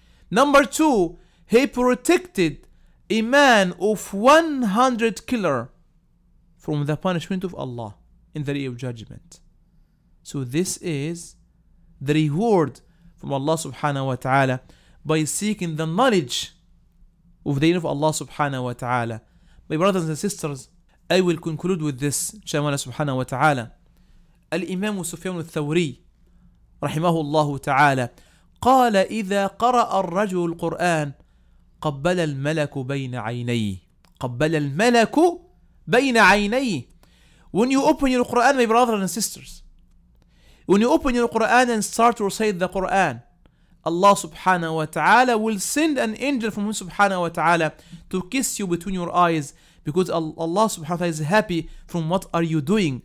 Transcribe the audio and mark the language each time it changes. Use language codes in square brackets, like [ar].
[en] Number two, he protected a man of 100 killer from the punishment of Allah in the day of judgment. So this is the reward from Allah subhanahu wa ta'ala by seeking the knowledge of the name of Allah subhanahu wa ta'ala. My brothers and sisters, I will conclude with this, inshallah, Allah subhanahu wa ta'ala. [ar] الإمام سفيان الثوري رحمه الله تعالى قال إذا قرأ الرجل القرآن قبل الملك بين عينيه. قبل الملك بين عينيه. [en] When you open your Quran, my brothers and sisters, when you open your Quran and start to recite the Quran, Allah subhanahu wa ta'ala will send an angel from him subhanahu wa ta'ala to kiss you between your eyes, because Allah subhanahu wa ta'ala is happy from what are you doing.